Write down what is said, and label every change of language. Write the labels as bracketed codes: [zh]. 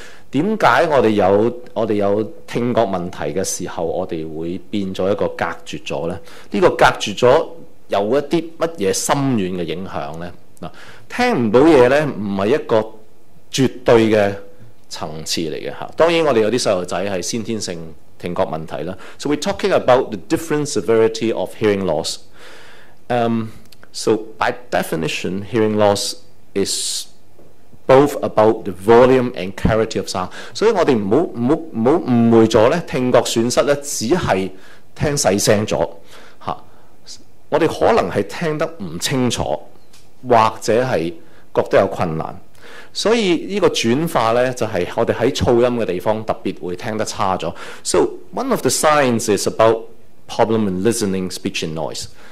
[zh] 為什麼我們有聽覺問題的時候，我們會變成一個隔絕了呢？這個隔絕了有一些什麼深遠的影響呢？聽不到東西不是一個 絕對的層次來的，當然我們有些小孩子是先天性聽覺問題啦。 [en] So we're talking about the different severity of hearing loss. So by definition, hearing loss is both about the volume and clarity of sound. [zh] 所以我們不要誤會了，聽覺損失只是聽小聲了，我們可能是聽得不清楚，或者是覺得有困難。所以這個轉化就是我們在噪音的地方特別會聽得差了。 [en] So one of the signs is about problem in listening, speech and noise.